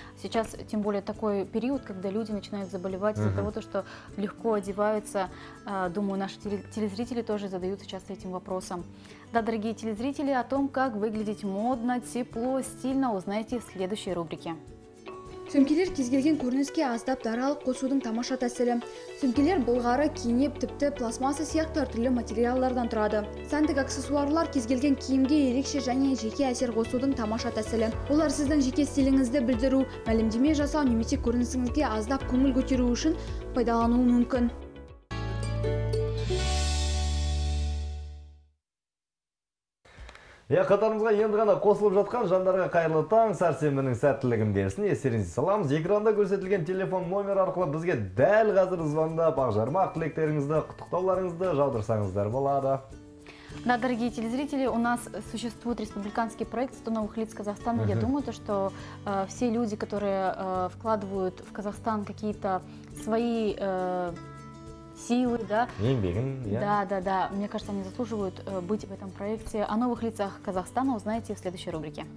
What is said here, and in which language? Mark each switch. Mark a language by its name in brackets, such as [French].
[Russian] Сейчас, тем более, такой период, когда люди начинают заболевать из-за того, что легко одеваются. Думаю, наши телезрители тоже задаются часто этим вопросом. Да, дорогие телезрители, о том, как выглядеть модно, тепло, стильно, узнаете в следующей рубрике. [Kazakh] Сөмкелер кезгелген көрініске аздап даралы қосудың тамаша тәсілі. Сөмкелер былғары, кенеп, тіпті пластмасса сияқты түрлі материалдардан тұрады. Сәндік аксессуарлар кезгелген киімге ерекше және жеке әсер қосудың тамаша тәсілі. Олар сіздің жеке стиліңізді білдіру, мәлімдеме жасау немесе көрінісіңізге аздап көңіл көтеру үшін пайдалануы мүмкін. Я қатарымызға енді ғана қосылып жатқан жандарға қайырлы таң, сәрсенбінің сәттілігін берсін, естеріңізге саламыз. Экранда көрсетілген телефон номер арқылы бізге дәл қазір звондап, ақжармақ тілектеріңізді, құттықтауларыңызды жаудырсаңыздар болады. [Russian] Да, дорогие телезрители, у нас существует республиканский проект «100 новых лиц Казахстана». Я думаю, то, что все люди, которые вкладывают в Казахстан какие-то свои силы, да? Да. Мне кажется, они заслуживают быть в этом проекте. О новых лицах Казахстана узнаете в следующей рубрике.